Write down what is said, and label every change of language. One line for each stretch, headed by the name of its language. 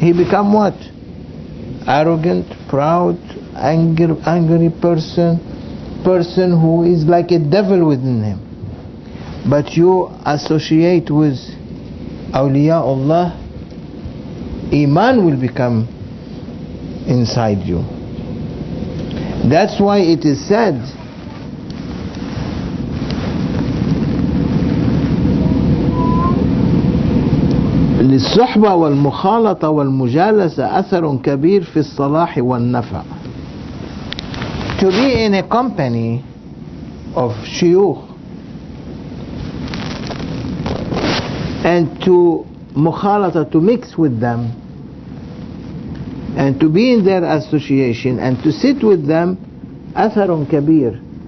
English: He become what? Arrogant, proud, angry person who is like a devil within him. But you associate with Awliyaullah, Iman will become inside you. That's why it is said,
Arabic: للصحبة والمخالطة والمجالسة أثر كبير في الصلاح والنفع.
English: To be in a company of shuyukh and to mukhalata, to mix with them, and to be in their association and to sit with them, atharun kabir,